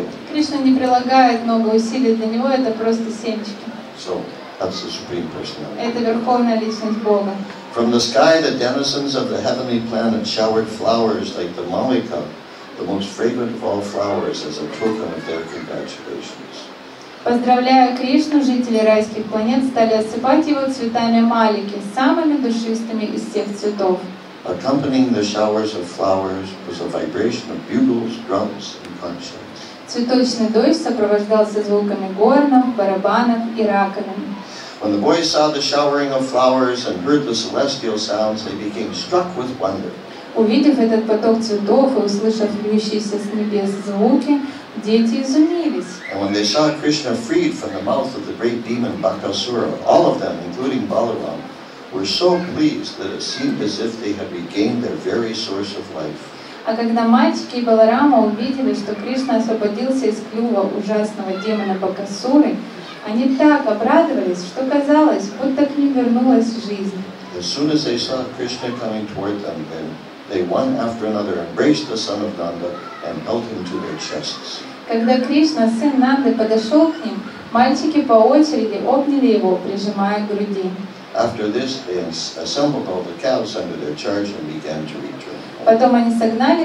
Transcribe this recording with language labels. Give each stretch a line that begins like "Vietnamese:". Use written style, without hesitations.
Russian: Кришна не прилагает много усилий для него, это просто семечки.
English: So, that's the Supreme Personality.
Russian: Это верховная личность Бога.
English: From the sky, the denizens of the heavenly planet showered flowers like the mallika, the most fragrant of all flowers, as a token of their congratulations.
Russian: Поздравляя Кришну, жители райских планет стали осыпать его цветами малики, самыми душистыми из всех цветов.
English: Accompanying the showers of flowers was a vibration of bugles, drums, and conchs.
Russian: Цветочный дождь сопровождался звуками горнов, барабанов и раковин.
English: When the boys saw the showering of flowers and heard the celestial sounds, they became struck with wonder.
Russian: Увидев этот поток цветов и услышав льющиеся с небес звуки, дети изумились.
English: And when they saw Krishna freed from the mouth of the great demon Bakasura, all of them, including Balaram, were so pleased that it seemed as if they had regained their very source of life.
Russian: А когда мальчики и Баларама увидели, что Кришна освободился из клюва ужасного демона Бакасуры, они так обрадовались, что казалось, будто к ним вернулась жизнь.
English: As soon as they saw Krishna coming toward them, then they one after another embraced the son of Nanda and held him to their chests.
Russian: Когда Кришна, сын Нанды, подошел к ним, мальчики по очереди обняли его, прижимая к груди.
English: After this, they assembled all the cows under their charge and began to return.